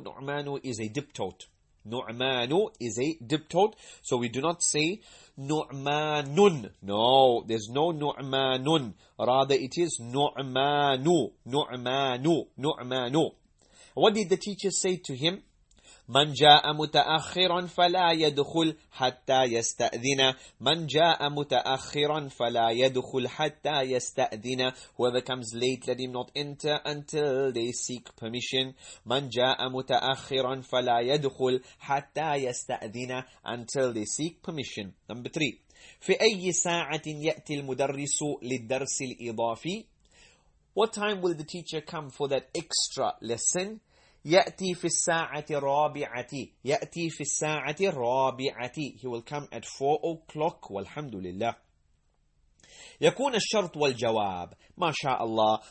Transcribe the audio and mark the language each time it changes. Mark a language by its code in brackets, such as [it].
[en] Nu'manu is a diptote. Nu'manu is a diptote. So we do not say Nu'manun. No, there's no Nu'manun. Rather it is Nu'manu. Nu'manu. Nu'manu. What did the teacher say to him? [ar] من جاء متأخرا فلا يدخل حتى يستأذن. من جاء متأخرا فلا يدخل حتى يستأذن. [en] Whoever comes late, let him not enter until they seek permission. [ar] من جاء متأخرا فلا يدخل حتى يستأذن, [en] until they seek permission. Number 3. [ar] في أي ساعة يأتي المدرس للدرس الإضافي? [en] What time will the teacher come for that extra lesson? [ar] يأتي في الساعة الرابعة. يأتي في الساعة الرابعة. [en] He will come at 4 o'clock. والحمد لله. [ar] يكون الشرط والجواب. [en] ما شاء الله.